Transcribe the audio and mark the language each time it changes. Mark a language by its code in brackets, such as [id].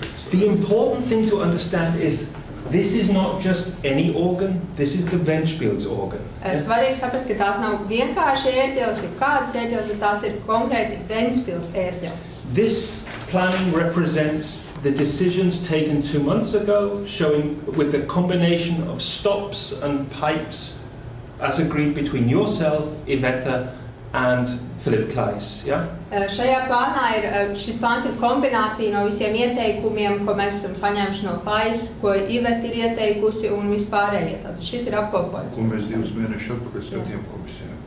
[en] The important thing to understand is this is not just any organ, this is the Ventspils organ. [lv] Svarīgi saprast, ka tās nav vienkārši ērģeles, ir kādas ērģeles, bet tās ir konkrēti Ventspils ērģeles. [en] This planning represents the decisions taken 2 months ago, showing with a combination of stops and pipes as agreed between yourself, Iveta, and Philip Kleiss, yeah? [lv] Šajā plānā ir, šis plāns ir kombinācija no visiem ieteikumiem, ko mēs esam saņēmuši no Kleiss, ko Iveta ir ieteikusi un vispārējie. Tātad šis ir apkopojums. Ko mēs 2 mēnešus atpakaļ skatījām komisijā.